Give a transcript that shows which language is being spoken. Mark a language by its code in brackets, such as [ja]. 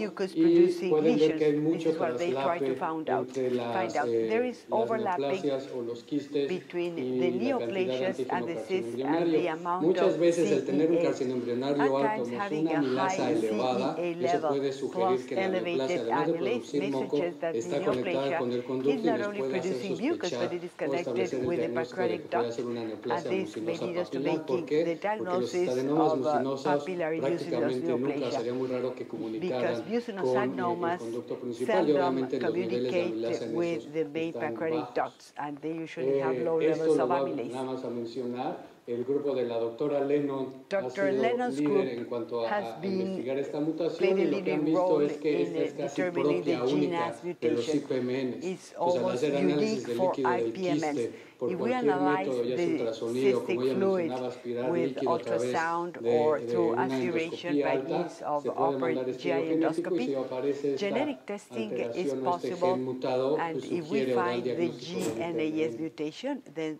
[es] Y pueden ver que hay mucho traslape entre las neoplasias o los quistes y la cantidad de antígeno carcinoembrionario. Muchas veces el tener un carcinoembrionario alto más una amilasa elevada, eso puede sugerir que la neoplasia, además de producir moco, está conectada con el conducto y [en] not only producing mucus, but it is connected with the pancreatic duct. And this may lead us to making the diagnosis of papillary mucinous neoplasia. Because mucinous adenomas seldom communicate with the main pancreatic ducts, and they usually have low levels of amylase. [es] El grupo de la doctora Lennon ha sido líder en cuanto a investigar esta mutación, y lo que han visto es que esta es casi propia única de los IPMN. Al hacer análisis del líquido del quiste por cualquier método, ya sea ultrasonido, como ella mencionaba, aspirar líquido a través de una endoscopía alta, se puede mandar este genético, y si aparece esta alteración, este gen mutado, sugiere o da el diagnóstico de IPMN.